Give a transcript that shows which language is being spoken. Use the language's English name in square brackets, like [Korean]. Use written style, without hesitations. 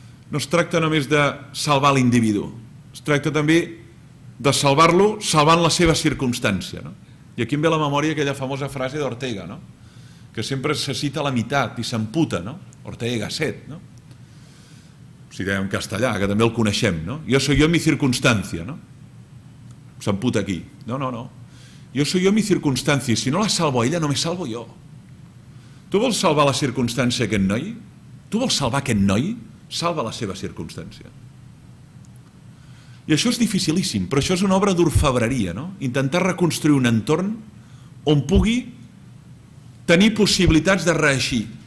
[Catalan] No es tracta només de salvar l'individu, es tracta també de salvar-lo salvant la seva circumstància, no? I aquí em ve a la memòria aquella famosa frase d'Ortega, no? Que sempre se cita la meitat i s'amputa, no? Ortega Gasset, no? Si dèiem castellà, que també el coneixem, no? [Spanish] Jo soy yo en mi circunstancia, no? [Catalan] S'amputa aquí. [Spanish] No, no, no. Jo soy yo en mi circunstancia, si no la salvo a ella, no me salvo jo. [Catalan] Tu vols salvar la circumstància aquest noi? Tu vols salvar aquest noi? Salva la seva circumstància. I això és dificilíssim, però això és una obra d'orfebreria, no? Intentar reconstruir un entorn on pugui tenir possibilitats de reeixir.